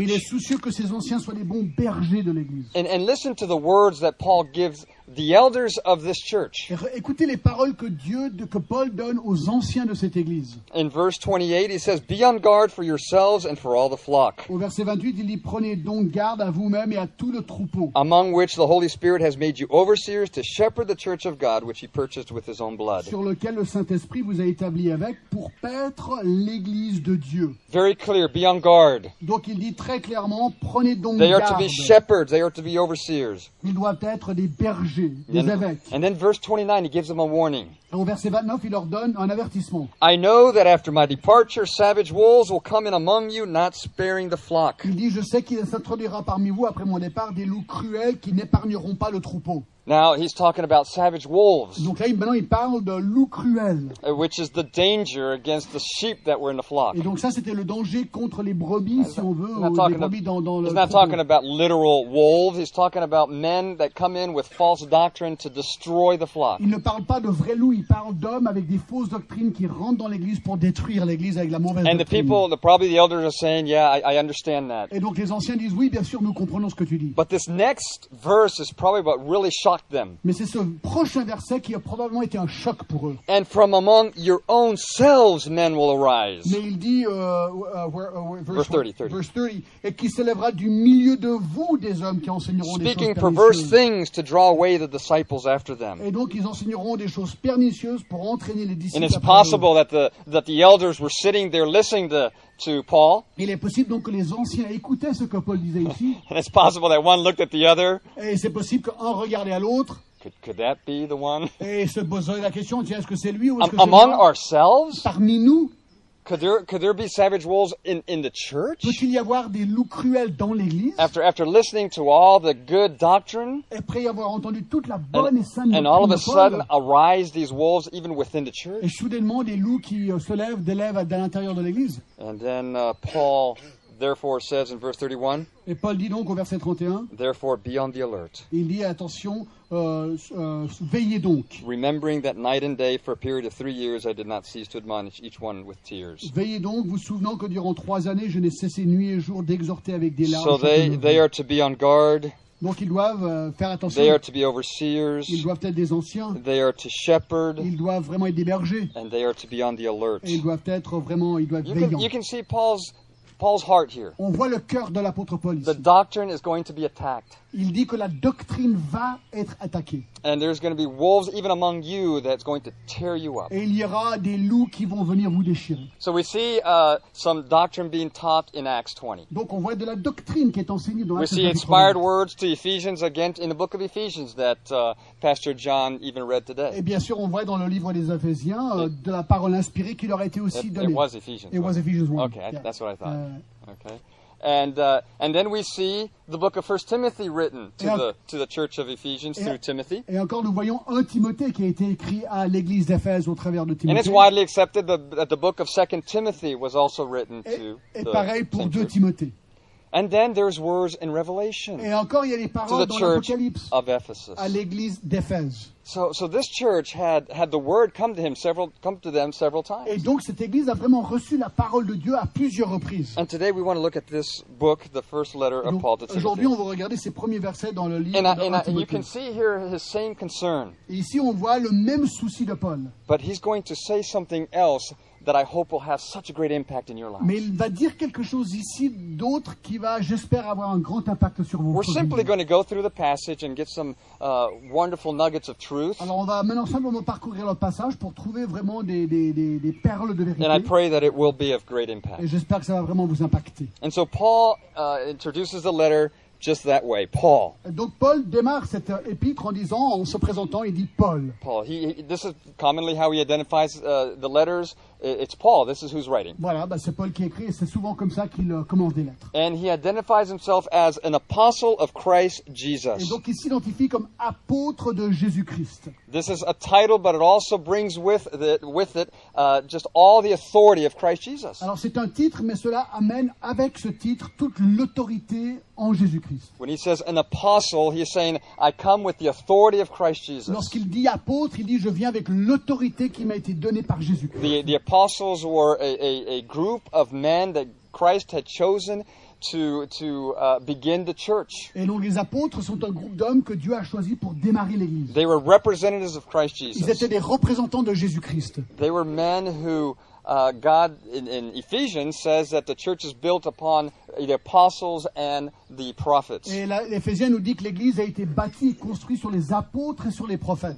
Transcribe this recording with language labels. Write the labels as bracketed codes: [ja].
[fr] Et il est soucieux que ces anciens soient les bons bergers de l'église. [en] And listen to the words that Paul gives the elders of this church. [fr] Écoutez les paroles que Paul donne aux anciens de cette église. [en] In verse 28, he says, "Be on guard for yourselves and for all the flock." [fr] Au verset 28, il dit, prenez donc garde à vous-même et à tout le troupeau. [en] Among which the Holy Spirit has made you overseers to shepherd the church of God, which He purchased with His own blood. [fr] Sur lequel le Saint-Esprit vous a établi avec pour paître l'église de Dieu. [en] Very clear. Be on guard. [fr] Donc il dit très clairement, prenez donc [en] they [fr] garde. [en] They are to be shepherds. They are to be overseers. [fr] Ils doivent être des bergers. [en] And then verse 29, he gives them a warning. [fr] Au verset 29, il leur donne un avertissement. [en] I know that after my departure, savage wolves will come in among you, not sparing the flock. [fr] Il dit, je sais qu'il s'introduira parmi vous après mon départ des loups cruels qui n'épargneront pas le troupeau. [en] Now he's talking about savage wolves. [fr] Donc là, maintenant, il parle de loups cruels. [en] Which is the danger against the sheep that were in the flock. [fr] Et donc ça, c'était le danger contre les brebis, si on veut, les brebis dans le. [en] He's not talking about literal wolves. He's talking about men that come in with false doctrine to destroy the flock. [fr] Il ne parle pas de vrais loups. Il parle d'hommes avec des fausses doctrines qui rentrent dans l'église pour détruire l'église avec la mauvaise doctrine. [en] And the people, probably the elders are saying, yeah, I understand that. [fr] Et donc les anciens disent, oui, bien sûr, nous comprenons ce que tu dis. [en] But this next verse is probably what really shocked them. [fr] Mais c'est ce prochain verset qui a probablement été un choc pour eux. [en] And from among your own selves men will arise. [fr] Mais il dit verse 30. Et qui s'élèvera du milieu de vous des hommes qui enseigneront des choses perverses. [en] Speaking perverse things to draw away the disciples after them. [fr] Et donc ils enseigneront des choses pernicieuses pour entraîner les disciples. [en] And it's possible that the elders were sitting there listening to Paul. [fr] Il est possible donc que les anciens écoutaient ce que Paul disait ici. [en] And it's possible that one looked at the other. [fr] Et c'est possible qu'un regardait à l'autre. [en] Could that be the one? [fr] Et se posait la question, est-ce que c'est lui ou [en] Among ourselves? [fr] Parmi nous? [en] Could there be savage wolves in the church? [fr] Peut-il y avoir des loups cruels dans l'église? [en] After listening to all the good doctrine, [fr] après avoir entendu toute la bonne et sainte doctrine, [en] and all of a sudden arise these wolves even within the church? [fr] Et soudainement des loups qui se lèvent d'élèves à l'intérieur de l'église? [en] And then Paul therefore says in verse 31. [fr] Et Paul dit donc au verset 31. [en] Therefore be on the alert. [fr] Il dit attention. Veillez donc. [en] Remembering that night and day for a period of 3 years, I did not cease to admonish each one with tears. [fr] Veillez donc, vous souvenant que durant 3 années, je n'ai cessé nuit et jour d'exhorter avec des larmes. [en] So they are to be on guard. [fr] Donc ils doivent faire attention. [en] They are to be overseers. [fr] Ils doivent être des anciens. [en] They are to shepherd. [fr] Ils doivent vraiment être des bergers. [en] And they are to be on the alert. [fr] Et ils doivent être vraiment, ils doivent [en] veillants. You can see Paul's heart here. [fr] On voit le cœur de l'apôtre Paul ici. [en] The doctrine is going to be attacked. [fr] Il dit que la doctrine va être attaquée. [en] And there's going to be wolves even among you that's going to tear you up. [fr] Et il y aura des loups qui vont venir vous déchirer. [en] So we see some doctrine being taught in Acts 20. [fr] Donc on voit de la doctrine qui est enseignée dans [en] Acts 20. We see inspired words to Ephesians again in the book of Ephesians that Pastor John even read today. [fr] Et bien sûr, on voit dans le livre des Éphésiens de la parole inspirée qui leur a été aussi donnée. [en] It was Ephesians. It was Ephesians 1. Okay, yeah. That's what I thought. Okay. And then we see the book of 1 Timothy written to the church of Ephesians through Timothy. [fr] Et encore nous voyons 1 Timothée qui a été écrit à l'église d'Éphèse au travers de Timothée. [en] And it's widely accepted that the book of 2 Timothy was also written [fr] Et pareil pour 2 Timothée. [en] And then there's words in Revelation. [fr] Et encore il y a les paroles dans l'Apocalypse [en] of Ephesus. [fr] À l'église d'Éphèse. [en] So this church had the word come to them several times. [fr] Et donc cette église a vraiment reçu la parole de Dieu à plusieurs reprises. [en] And today we want to look at this book, the first letter of Paul to Timothy. [fr] Aujourd'hui on va regarder ces premiers versets dans le livre [en] And you can see here his same concern. [fr] Et ici on voit le même souci de Paul. [en] But he's going to say something else that I hope will have such a great impact in your life. [fr] Mais il va dire quelque chose ici d'autre qui va, j'espère, avoir un grand impact sur vous. [en] We're simply going to go through the passage and get some wonderful nuggets of truth. [fr] Alors on va maintenant simplement parcourir le passage pour trouver vraiment des perles de vérité. [en] And I pray that it will be of great impact. [fr] Et j'espère que ça va vraiment vous impacter. [en] And so Paul introduces the letter just that way, Paul. [fr] Donc Paul démarre cette épître en se présentant, il dit Paul. [en] Paul, this is commonly how he identifies the letters It's Paul. This is who's writing. [fr] Voilà, bah c'est Paul qui écrit et c'est souvent comme ça qu'il commence des lettres. [en] And he identifies himself as an apostle of Christ Jesus. [fr] Et donc il s'identifie comme apôtre de Jésus-Christ. [en] This is a title, but it also brings with it just all the authority of Christ Jesus. [fr] Alors c'est un titre, mais cela amène avec ce titre toute l'autorité en Jésus-Christ. [en] When he says an apostle, he is saying I come with the authority of Christ Jesus. [fr] Lorsqu'il dit apôtre, il dit je viens avec l'autorité qui m'a été donnée par Jésus-Christ. [en] The apostles were a group of men that Christ had chosen to begin the church. [fr] Et donc les apôtres sont un groupe d'hommes que Dieu a choisi pour démarrer l'église. [en] They were representatives of Christ Jesus. [fr] Ils étaient des représentants de Jésus-Christ. [en] They were men who God in Ephesians says that the church is built upon the apostles and the prophets. [fr] Et l'Éphésien nous dit que l'église a été bâtie et construite sur les apôtres et sur les prophètes.